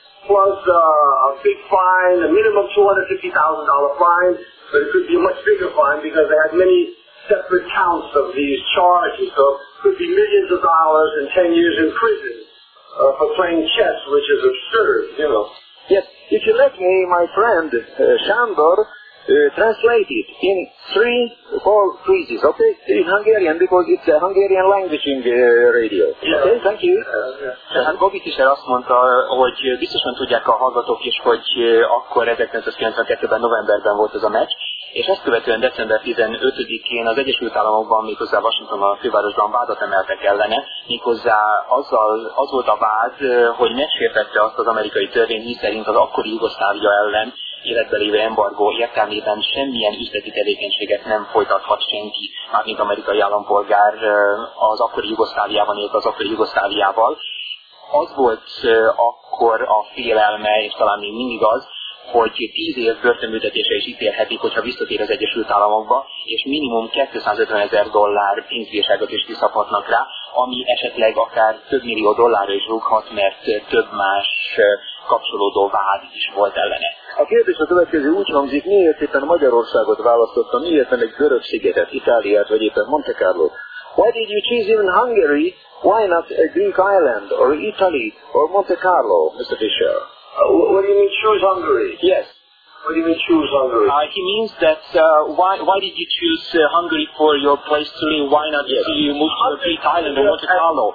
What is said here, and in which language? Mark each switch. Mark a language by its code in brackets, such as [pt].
[en] Plus a big fine, a minimum $250,000 fine, but it could be a much bigger fine because they had many separate counts of these charges, so it could be millions of dollars and 10 years in prison for playing chess, which is absurd, you know. Yes, if you let me, my friend Sándor, translate it in three, four phrases, okay? In Hungarian, because it's a Hungarian language in the radio. Yeah. Okay, thank you. [hu] Hát Bobby Fischer azt mondta, hogy biztosan tudják a hallgatók is, hogy akkor 1992-ben novemberben volt ez a meccs, és ezt követően december 15-én az Egyesült Államokban, méghozzá Washingtonban, a fővárosban vádat emeltek ellene, méghozzá azzal, az volt a vád, hogy megsértette azt az amerikai törvényt, miszerint az akkori Jugoszlávia ellen életbe lévő embargó értelmében semmilyen üzleti tevékenységet nem folytathat senki, mármint amerikai állampolgár az akkori Jugoszláviában élt az akkori Jugoszláviával. Az volt akkor a félelme, és talán még mindig az, hogy 10 év börtönbüntetése is ítélhetik, hogyha visszatér az Egyesült Államokba, és minimum $250,000 pénzbírságot is kiszabhatnak rá, ami esetleg akár több millió dollárra is rúghat, mert több más kapcsolódó vád is volt ellene. A kérdés a következő úgy hangzik, miért éppen Magyarországot választotta, miért nem egy görög szigetet, Itáliát, vagy éppen Monte Carlo-t? [en] Why did you choose even Hungary? Why not a Greek island, or Italy, or Monte Carlo, Mr. Fischer? What do you mean, choose Hungary? Yes. What do you mean choose Hungary? He means that why did you choose Hungary for your place to live? Why not you move to a Greek island or Monte Carlo?